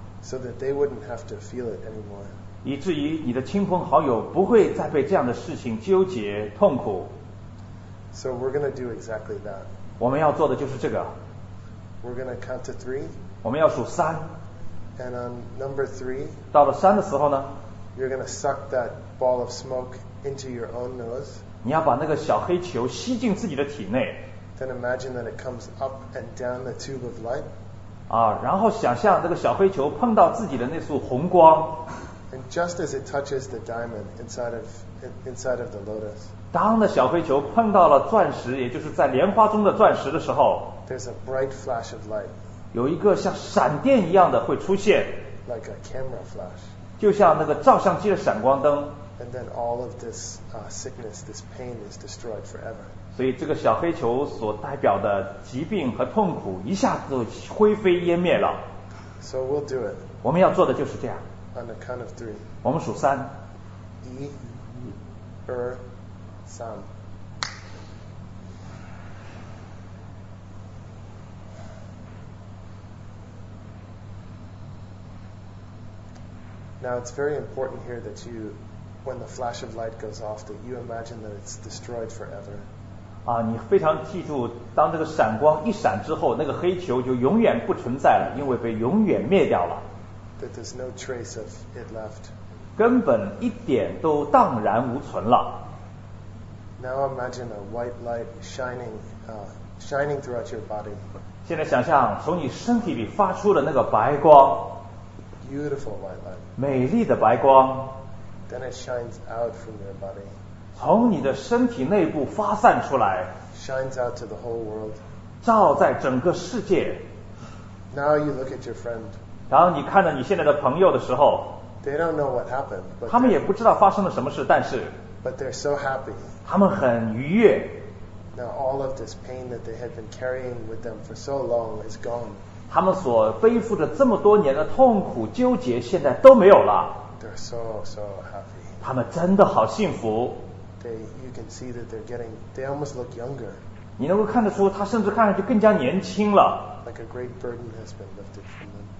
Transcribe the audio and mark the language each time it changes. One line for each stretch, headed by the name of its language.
English: So that they wouldn't have to feel it anymore.
Chinese: 以至于你的亲朋好友不会再被这样的事情纠结痛苦。
English: So we're going to do exactly that.
Chinese: 我们要做的就是这个。
English: We're going to count to three.
Chinese: 我们要数三。
English: And on number three,
Chinese: 到了三的时候呢,
English: you're going to suck that ball of smoke into your own nose.
Chinese: 你要把那个小黑球吸进自己的体内。
English: Then imagine that it comes up and down the tube of light.
Chinese: 啊，然后想象这个小黑球碰到自己的那束红光。
English: And just as it touches the diamond inside of the lotus,
Chinese: 当那小黑球碰到了钻石，也就是在莲花中的钻石的时候,
English: there's a bright flash of light.
Chinese: 有一个像闪电一样的会出现
English: ，like a camera flash，
Chinese: 就像那个照相机的闪光灯。
English: And then all of this sickness, this pain is destroyed forever.
Chinese: 所以这个小黑球所代表的疾病和痛苦一下子灰飞烟灭了。
English: So we'll do it.
Chinese: 我们要做的就是这样。
English: On the count of three.
Chinese: 我们数三。一、二、三。
English: Now it's very important here that you, when the flash of light goes off, that you imagine that it's destroyed forever.
Chinese: 啊，你非常记住，当这个闪光一闪之后，那个黑球就永远不存在了，因为被永远灭掉了。
English: That there's no trace of it left.
Chinese: 根本一点都荡然无存了。
English: Now imagine a white light shining throughout your body.
Chinese: 现在想象从你身体里发出的那个白光。
English: Beautiful white light.
Chinese: 美丽的白光。
English: Then it shines out from your body.
Chinese: 从你的身体内部发散出来。
English: Shines out to the whole world.
Chinese: 照在整个世界。
English: Now you look at your friend.
Chinese: 然后你看着你现在的朋友的时候。
English: They don't know what happened.
Chinese: 他们也不知道发生了什么事，但是。
English: But they're so happy.
Chinese: 他们很愉悦。
English: Now all of this pain that they had been carrying with them for so long is gone.
Chinese: 他们所背负着这么多年的痛苦纠结现在都没有了。
English: They're so, so happy.
Chinese: 他们真的好幸福。
English: They, you can see that they're getting, they almost look younger.
Chinese: 你能够看得出他甚至看上去更加年轻了。
English: Like a great burden has been lifted from them.